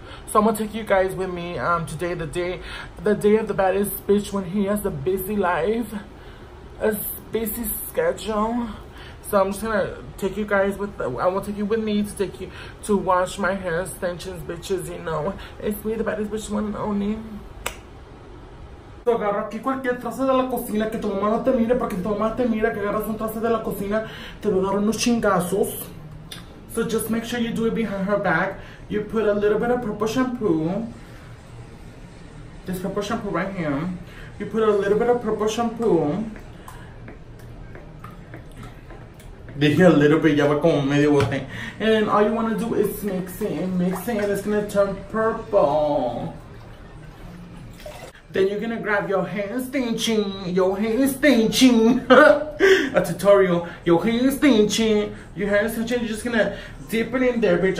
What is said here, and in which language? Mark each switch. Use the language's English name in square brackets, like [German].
[English] So I'm gonna take you guys with me today, the day of the baddest bitch when he has a busy life, a busy schedule. So I'm just gonna take you guys with, I will take you with me to take you to wash my hair extensions, bitches, you know. It's me, the baddest bitch, one and only. [Spanish] So agarra aquí cualquier trazo de la cocina, que tu mamá no te mire, porque tu mamá te mira, que agarras un trazo de la cocina, te lo daron unos chingazos. [English] So just make sure you do it behind her back. You put a little bit of purple shampoo. This purple shampoo right here. You put a little bit of purple shampoo. [Spanish] Dije [English] a little bit, [Spanish] ya va como medio bote. [English] And then all you want to do is mix it, and it's going to turn purple. Then you're going to grab your hand stenching, a tutorial, your hand stenching, you're just going to dip it in there, bitch.